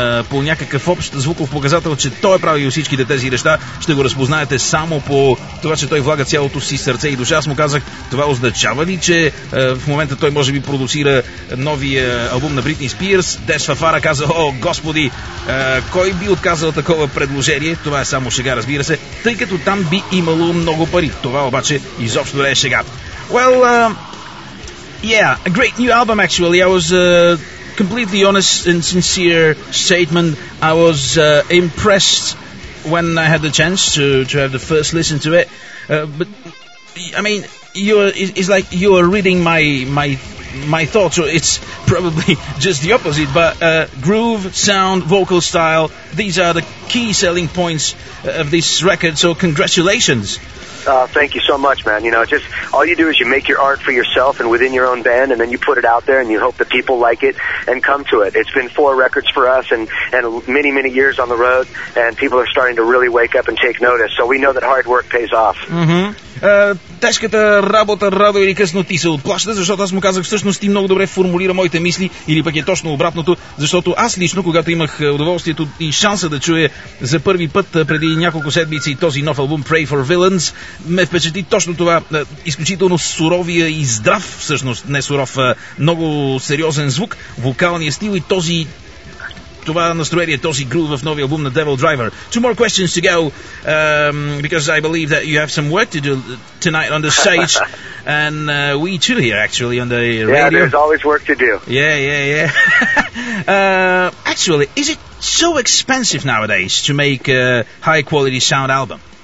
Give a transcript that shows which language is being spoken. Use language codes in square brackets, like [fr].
[bg] по някакъв общ звуков показател, че той е правил всичките тези неща, ще го разпознаете само по това, че той влага цялото си сърце и душа. Аз му казах, това означава ли, че в момента той може би продуцира новия албум на Бритни Спирс. Деш Фафара каза: о, господи, кой би отказал такова предложение? Това е само шега, разбира се, тъй като там би имало много пари. Това обаче изобщо не е шега. [en] Well, yeah, a great new album actually. I was completely honest and sincere statement. I was impressed when I had the chance to have the first listen to it. But I mean, it's like you are reading my thoughts. So it's probably just the opposite. But groove, sound, vocal style, these are the key selling points of this record. So congratulations. Thank you so much, man. You know, just all you do is you make your art for yourself and within your own band, and then you put it out there and you hope that people like it and come to it. It's been four records for us and many, many years on the road, and people are starting to really wake up and take notice. So we know that hard work pays off. Mm-hmm. [bg] Тежката работа рано или късно ти се отплаща, защото аз му казах, всъщност ти много добре формулира моите мисли, или пък е точно обратното, защото аз лично, когато имах удоволствието и шанса да чуя за първи път преди няколко седмици този нов албум Pray for Villains, ме впечатли точно това, изключително суровия и здрав, всъщност не суров, много сериозен звук, вокалния стил и този... това настроение, този грув в новия албум на Devil Driver. [en] Two more questions to go, because I believe that you have some work to do tonight on the stage, and we too here actually on the radio. Yeah, there's always work to do. Yeah. actually, is it so expensive nowadays to make a high quality sound album?